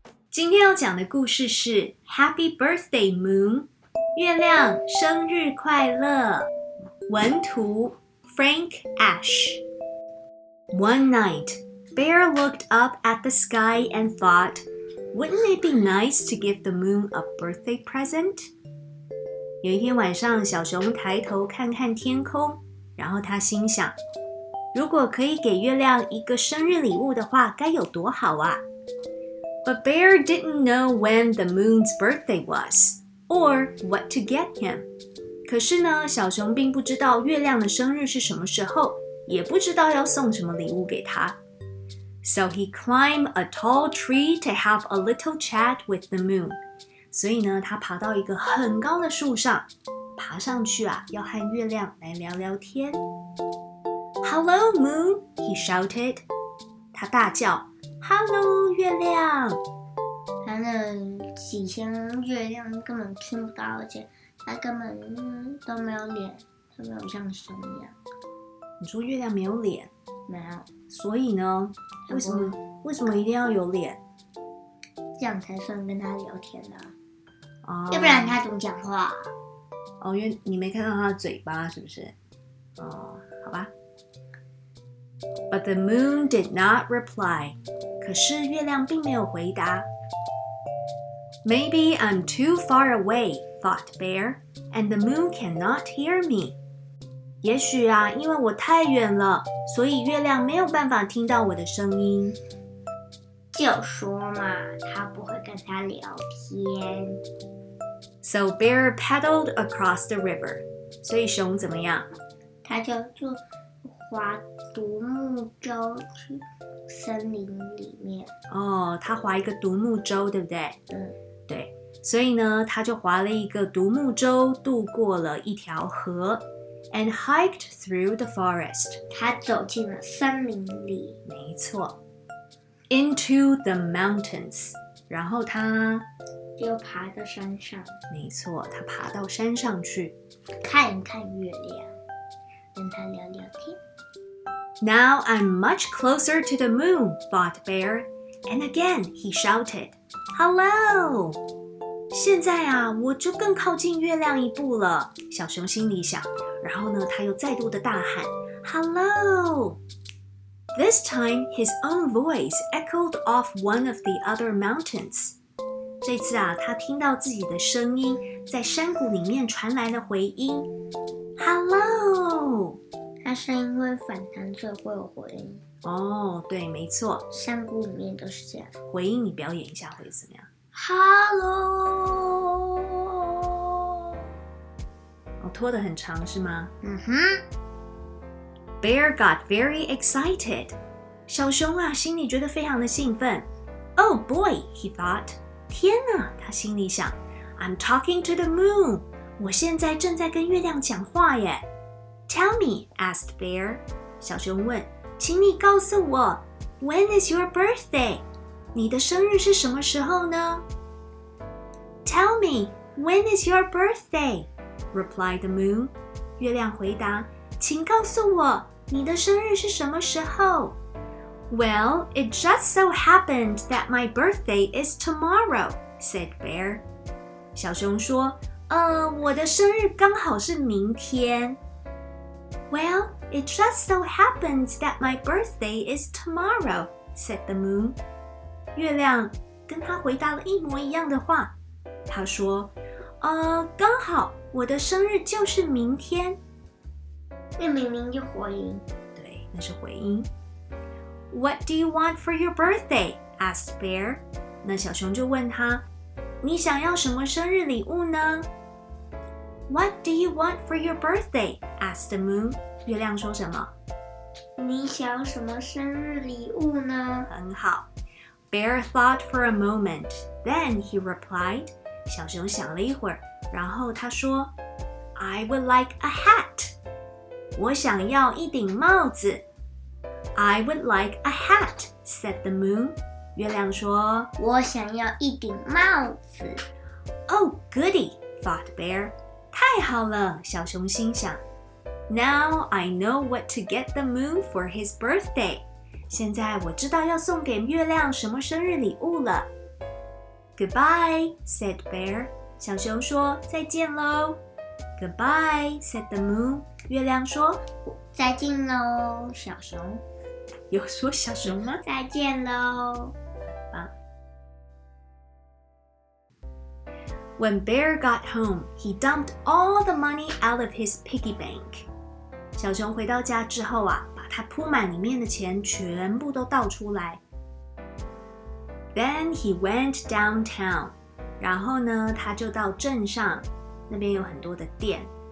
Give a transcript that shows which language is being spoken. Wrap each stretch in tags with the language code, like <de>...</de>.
<zh>今天要讲的故事是 Happy Birthday Moon， 月亮生日快乐。文图</zh> <en>Frank Ash。 One night, Bear looked up at the sky and thought, "Wouldn't it be nice to give the moon a birthday present?"</en> <zh>有一天晚上，小熊抬头看看天空，然后他心想，如果可以给月亮一个生日礼物的话，该有多好啊。</zh> <en>But Bear didn't know when the moon's birthday was, or what to get him.</en> <zh>可是呢，小熊并不知道月亮的生日是什么时候，也不知道要送什么礼物给他。</zh> <en>So he climbed a tall tree to have a little chat with the moon.</en> <zh>所以呢，他爬到一个很高的树上，爬上去啊，要和月亮来聊聊天。</zh> <en>Hello, moon, he shouted.</en> <zh>他大叫 ,Hello, 月亮。他那几天月亮根本听不到，而且他根本都没有脸，他没有像熊一样。你说月亮没有脸？没有。所以呢？为什么一定要有脸？这样才算跟他聊天呢、啊。要不然他怎么讲话？哦，因为你没看到他的嘴巴，是不是？哦，好吧。</zh> <en>But the moon did not reply.</en> <zh>可是月亮并没有回答。</zh> <en>Maybe I'm too far away, thought Bear, and the moon cannot hear me.</en> <zh>也许啊，因为我太远了，所以月亮没有办法听到我的声音。就说嘛，他不会跟他聊天。</zh> <en>So Bear paddled across the river.</en> <zh>所以熊怎么样？他就坐划独木舟去森林里面。哦，他划一个独木舟，对不对？对。对。所以呢，他就划了一个独木舟，渡过了一条河 ，</zh> <en>and hiked through the forest.</en> <zh>他走进了森林里。没错。</zh> <en>Into the mountains.</en> <zh>然后他。又爬到山上，没错，他爬到山上去看一看月亮，跟他聊聊天。</zh> <en>Now I'm much closer to the moon, thought Bear, and again he shouted, "Hello!"</en> <zh>现在啊，我就更靠近月亮一步了，小熊心里想。然后呢，他又再度的大喊 "Hello!"</zh> <en>This time his own voice echoed off one of the other mountains.</en> <zh>这次啊，他听到自己的声音在山谷里面传来了回音。</zh> <en>Hello，</en> <zh>他声音会反弹，所以会有回音。哦，对，没错，山谷里面都是这样。回音，你表演一下会怎么样</zh> <en>？Hello，</en> <zh>哦，拖得很长是吗？嗯哼。</zh> <en>Bear got very excited，</en> <zh>小熊啊，心里觉得非常的兴奋。</zh> <en>Oh boy， he thought。</en> <zh>天哪，他心里想</zh> <en>，I'm talking to the moon.</en> <zh>我现在正在跟月亮讲话耶。</zh> <en>Tell me, asked Bear.</en> <zh>小熊问，请你告诉我 ，</zh> <en>When is your birthday?</en> <zh>你的生日是什么时候呢</zh> <en>？Tell me, when is your birthday? Replied the moon.</en> <zh>月亮回答，请告诉我你的生日是什么时候。</zh> <en>Well, it just so happened that my birthday is tomorrow, said Bear.</en> <zh>小熊说，我的生日刚好是明天。</zh> <en>Well, it just so happened that my birthday is tomorrow, said the moon.</en> <zh>月亮跟他回答了一模一样的话。他说，刚好我的生日就是明天。那明明就回音。对，那是回音。</zh> <en>What do you want for your birthday? asked Bear.</en> <zh>那小熊就问他，你想要什么生日礼物呢？</zh> <en>What do you want for your birthday? asked the moon.</en> <zh>月亮说什么？你想什么生日礼物呢？很好。</zh> <en>Bear thought for a moment. Then he replied.</en> <zh>小熊想了一会儿，然后他说，</zh> <en>I would like a hat.</en> <zh>我想要一顶帽子。</zh> <en>I would like a hat, said the moon.</en> <zh>月亮说，我想要一顶帽子。</zh> <en>Oh, goody, thought Bear.</en> <zh>太好了，小熊心想。</zh> <en>Now I know what to get the moon for his birthday.</en> <zh>现在我知道要送给月亮什么生日礼物了。</zh> <en>Goodbye, said Bear.</en> <zh>小熊说再见咯。</zh> <en>Goodbye, said the moon.</en> <zh>月亮说再见咯，小熊。有说小熊吗？再见咯。</zh> <en>When Bear got home, he dumped all the money out of his piggy bank.</en> <zh>小熊回到家之后啊，把他铺满里面的钱全部都倒出来。</zh> <en>Then he went downtown.</en> <zh>然后呢，他就到镇上，那边有很多的店。</zh>